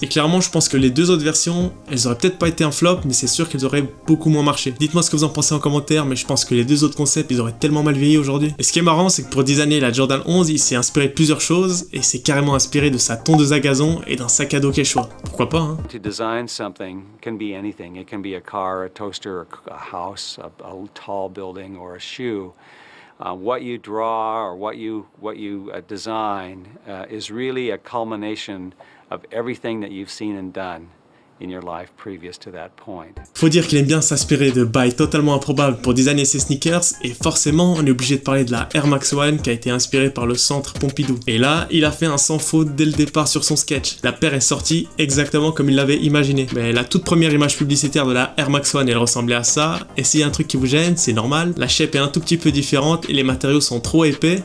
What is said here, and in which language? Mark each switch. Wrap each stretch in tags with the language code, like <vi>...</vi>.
<fr>Et clairement, je pense que les deux autres versions, elles auraient peut-être pas été un flop, mais c'est sûr qu'elles auraient beaucoup moins marché. Dites-moi ce que vous en pensez en commentaire, mais je pense que les deux autres concepts, ils auraient tellement mal vieilli aujourd'hui. Et ce qui est marrant, c'est que pour designer la Jordan 11, il s'est inspiré de plusieurs choses, et s'est carrément inspiré de sa tondeuse à gazon et d'un sac à dos quechua. Pourquoi pas, hein?</fr> <en>To design something can be anything. It can be a car, a toaster, a house, a tall building, or a shoe. What you draw or what you design is really a culmination of everything that you've seen and done in your life previous to that point.</en> <fr>Faut dire qu'il aime bien s'inspirer de bails totalement improbables pour designer ses sneakers, et forcément on est obligé de parler de la Air Max One qui a été inspirée par le centre Pompidou. Et là, il a fait un sans faute dès le départ sur son sketch. La paire est sortie exactement comme il l'avait imaginé. Mais la toute première image publicitaire de la Air Max One, elle ressemblait à ça, et s'il y a un truc qui vous gêne, c'est normal, la shape est un tout petit peu différente et les matériaux sont trop épais.</fr>